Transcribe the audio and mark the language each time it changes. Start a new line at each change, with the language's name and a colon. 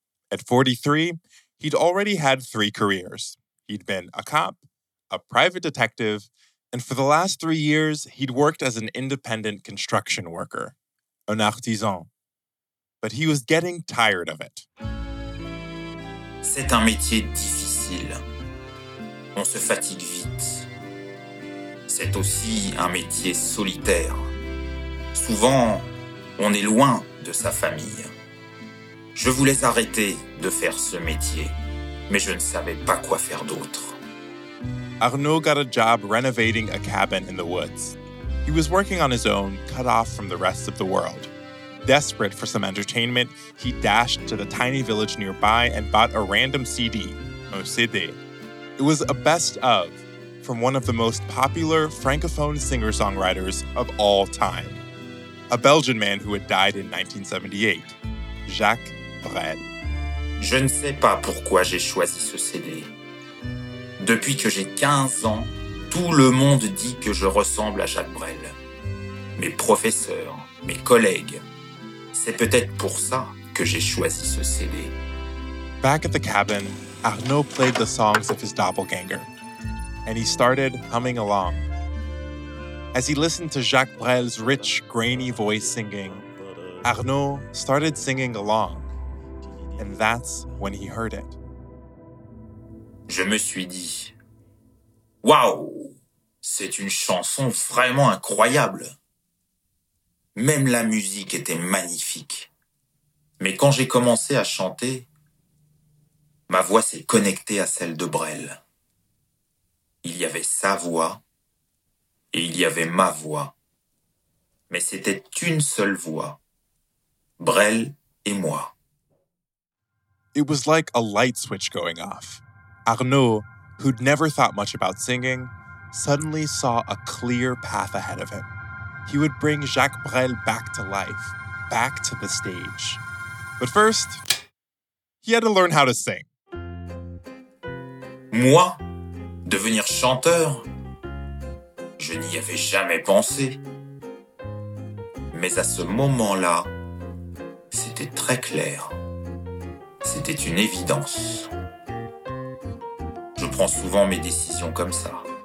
English: At 43, he'd already had three careers. He'd been a cop, a private detective, and for the last 3 years, he'd worked as an independent construction worker, an artisan. But he was getting tired of it.
French: C'est un métier difficile. On se fatigue vite. C'est aussi un métier solitaire. Souvent, on est loin de sa famille. Je voulais arrêter de faire ce métier, mais je ne savais pas quoi faire d'autre.
English: Arnaud got a job renovating a cabin in the woods. He was working on his own, cut off from the rest of the world. Desperate for some entertainment, he dashed to the tiny village nearby and bought a random CD, un CD. It was a best of from one of the most popular Francophone singer-songwriters of all time, a Belgian man who had died in 1978, Jacques Brel.
French: Je ne sais pas pourquoi j'ai choisi ce CD. Depuis que j'ai 15 ans, tout le monde dit que je ressemble à Jacques Brel. Mes professeurs, mes collègues. C'est peut-être pour ça que j'ai choisi ce CD.
English: Back at the cabin, Arnaud played the songs of his doppelganger, and he started humming along. As he listened to Jacques Brel's rich, grainy voice singing, Arnaud started singing along, and that's when he heard it.
French: Je me suis dit, waouh, c'est une chanson vraiment incroyable. Même la musique était magnifique. Mais quand j'ai commencé à chanter, ma voix s'est connectée à celle de Brel. Il y avait sa voix et il y avait ma voix. Mais c'était une seule voix, Brel et moi.
English: It was like a light switch going off. Arnaud, who'd never thought much about singing, suddenly saw a clear path ahead of him. He would bring Jacques Brel back to life, back to the stage. But first, he had to learn how to sing.
French: Moi, devenir chanteur, je n'y avais jamais pensé. Mais à ce moment-là, c'était très clair. C'était une évidence. Je prends souvent mes décisions comme ça.